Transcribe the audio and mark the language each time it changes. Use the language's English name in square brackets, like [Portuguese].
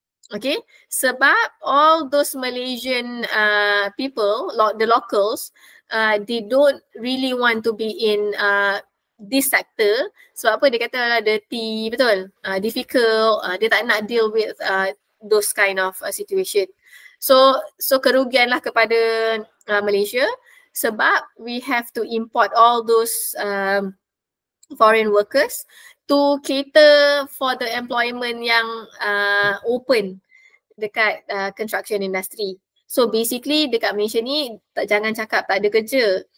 [English] Okay, sebab all those Malaysian people, the locals, they don't really want to be in this sector. [Malay] Sebab apa? Dia kata dirty, betul? Difficult, dia tak nak [English] deal with those kind of situation. [Malay] So kerugianlah kepada Malaysia. [English] Sebab we have to import all those foreign workers to cater for the employment yang open dekat construction industry. [Malay] So basically dekat Malaysia ni jangan cakap tak ada kerja.